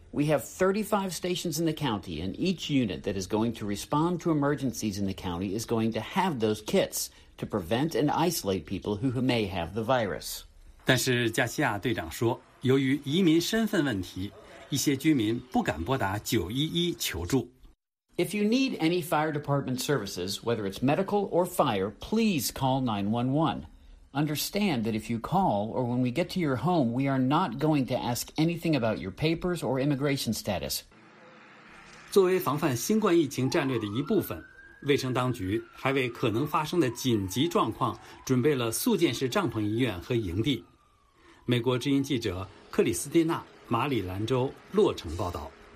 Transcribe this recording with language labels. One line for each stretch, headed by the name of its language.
English: We have 35 stations in the county, and each unit that is going to respond to emergencies in the county is going to have those kits to prevent and isolate people who may have the virus.
Chinese: 但是加西亚队长说，由于移民身份问题，一些居民不敢拨打911求助。
English: If you need any fire department services, whether it's medical or fire, please call 911. Understand that if you call or when we get to your home, we are not going to ask anything about your papers or immigration status.
Chinese: 作为防范新冠疫情战略的一部分，卫生当局还为可能发生的紧急状况准备了速建式帐篷医院和营地。美国之音记者克里斯蒂娜，马里兰州洛城报道。